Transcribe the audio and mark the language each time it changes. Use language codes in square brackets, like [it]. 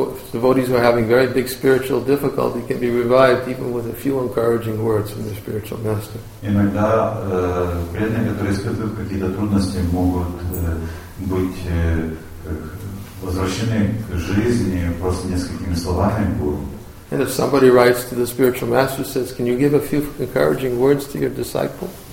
[en] Devotees who are having very big spiritual difficulty can be revived even with a few encouraging words from their spiritual master. [ru] Иногда преданные, которые испытывают какие-то трудности, могут быть возвращены к жизни просто несколькими словами гуру. [en] And if somebody writes to the spiritual master, says, "Can you give a few encouraging words to your disciple?"